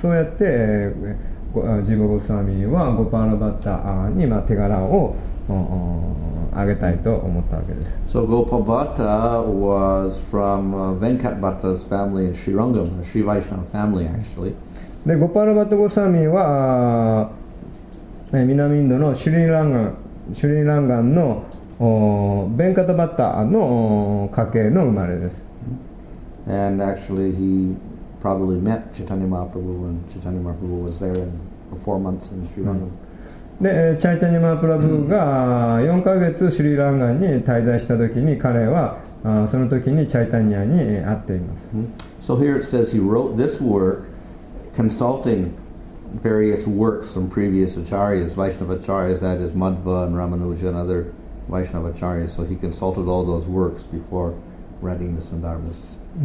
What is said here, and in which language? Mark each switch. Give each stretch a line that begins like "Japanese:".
Japanese: そうやって、ジーバゴスワミはゴパラバッタに、まあ、手柄をあげたいと思ったわけです。
English: So Gopal Bhatta was from Venkat Bhatta's family in Sri Rangam, a Sri Vaishnava family actually.
Japanese: でゴパラバッタゴスワミは南インドのシュリランガン、シュリランガンのベンカタバッタの家系の生まれです。
English: And actually he probably met Chaitanya Mahaprabhu when Chaitanya Mahaprabhu was there for 4 months in Sri Rangam.
Japanese: で、チャイタニマプラブが4ヶ月シリランガンに滞在した時に彼はその時にチャイタニアに会っています。
English: So here it says he wrote this work consulting various works from previous acharyas, Vaishnava acharyas, that is Madhva and Ramanuja and other Vaishnava acharya, so he consulted all those works before writing the Sandarbhas.